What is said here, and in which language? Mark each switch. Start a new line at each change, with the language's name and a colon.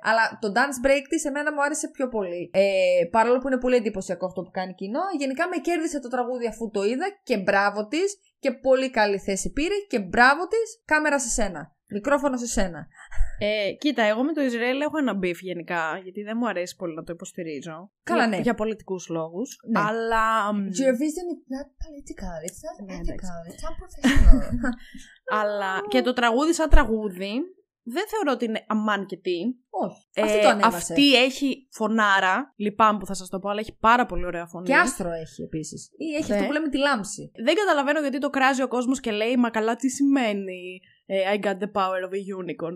Greek: Αλλά το dance break της εμένα μου άρεσε πιο πολύ. Παρόλο που είναι πολύ εντυπωσιακό αυτό που κάνει κοινό, γενικά με κέρδισε το τραγούδι αφού το είδα και μπράβο της. Και πολύ καλή θέση πήρε και μπράβο της, κάμερα σε σένα, μικρόφωνο σε σένα. Κοίτα, εγώ με το Ισραήλ έχω ένα μπιφ γενικά, γιατί δεν μου αρέσει πολύ να το υποστηρίζω. Καλά, ναι. Για πολιτικούς λόγους, ναι. Αλλά...
English: Eurovision is not political, it's not ethical, it's unprofessional.
Greek: Αλλά και το τραγούδι σαν τραγούδι, δεν θεωρώ ότι είναι αμάν και τι. Όχι, αυτή το ανέβασε. Αυτή έχει φωνάρα, λυπάμαι που θα σας το πω, αλλά έχει πάρα πολύ ωραία φωνή. Και άστρο έχει επίσης. Ή έχει αυτό που λέμε τη λάμψη. Δεν καταλαβαίνω γιατί το κράζει ο κόσμος και λέει, μα καλά τι σημαίνει
English: I got the power of a unicorn.